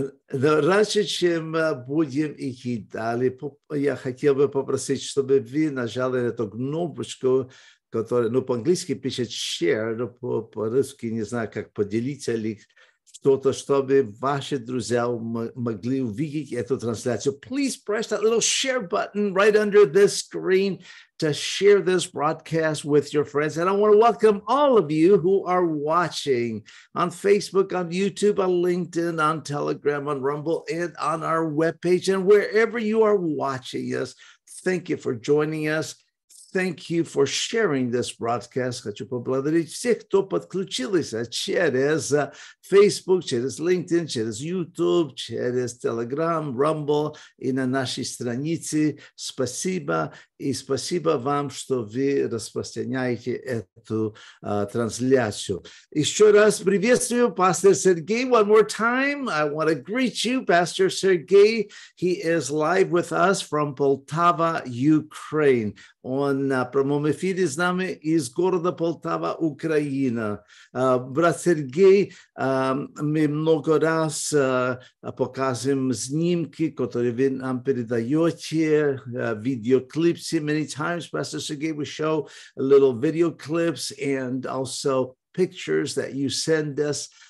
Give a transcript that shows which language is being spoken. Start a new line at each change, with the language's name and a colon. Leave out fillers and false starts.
Russian: Раньше, чем будем идти далее, я хотел бы попросить, чтобы вы нажали эту кнопочку, которая, ну, по-английски пишет share, но по-русски не знаю, как поделиться или что-то, чтобы ваши друзья могли увидеть эту трансляцию.
English: Please press that little share button right under this screen to share this broadcast with your friends. And I want to welcome all of you who are watching on Facebook, on YouTube, on LinkedIn, on Telegram, on Rumble, and on our webpage, and wherever you are watching us. Thank you for joining us. Thank you for sharing this broadcast.
Russian: Хочу поблагодарить всех, кто подключился через Facebook, через LinkedIn, через YouTube, через Telegram, Rumble и на нашей странице. Спасибо. И спасибо вам, что вы распространяете эту трансляцию. Еще раз приветствую пастор Сергей.
English: One more time, I want to greet you, Pastor Sergey. He is live with us from Poltava, Ukraine. Он на прямом эфире с нами из города Полтава, Украина.
Russian: Брат Сергей, мы много раз показываем снимки, которые вы нам передаете, видеоклипсы.
English: Many times, Pastor Sergey, we show little video clips and also pictures that you send us.